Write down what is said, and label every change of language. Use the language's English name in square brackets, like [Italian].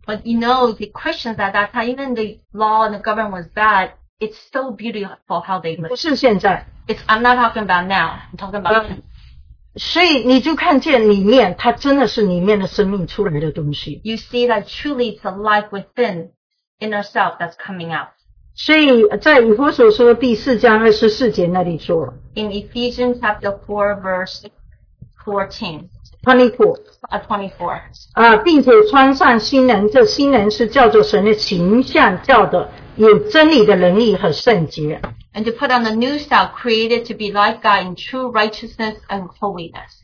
[English] But you know, the Christians at that time, even the law and the government was bad, it's so beautiful how they live. [Chinese] 不是现在, [English] it's, I'm not talking about now, I'm talking about then. [Chinese] 所以你就看见里面, 它真的是里面的生命出来的东西。 [English] You see that truly it's a life within, in ourself that's coming out. [Chinese] 所以在以弗所书第4章24节那里说, [English] in Ephesians chapter 4 verse 14, [Chinese] 24并且穿上新人，这新人是叫做神的形象，叫的有真理的能力和圣洁。 [English] And to put on the new style created to be like God in true righteousness and holiness.